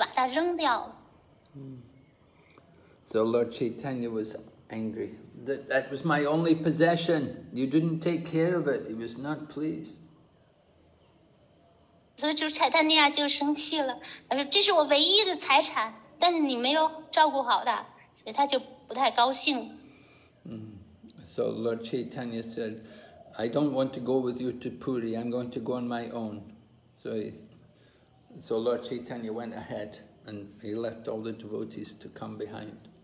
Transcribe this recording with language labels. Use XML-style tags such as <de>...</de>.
<zh>然后主尼天安娜就回答说，哦，你不记得了吗？当你在Kirtan的时候呢，你跳舞的时候，你跃到了半空中，然后当你从空中落到地面的时候，你就踩在了这根棍子上，所以就把它踩折了，所以我把它扔掉了。So</zh> <en>Lord Chaitanya was angry. That was my only possession. You didn't take care of it. He was not pleased.</en> <zh>所以主柴丹尼亚就生气了，他说这是我唯一的财产，但是你没有照顾好的，所以他就不太高兴。So</zh> <en>Lord Chaitanya said, I don't want to go with you to Puri, I'm going to go on my own. So Lord Chaitanya went ahead and he left all the devotees to come behind.</en>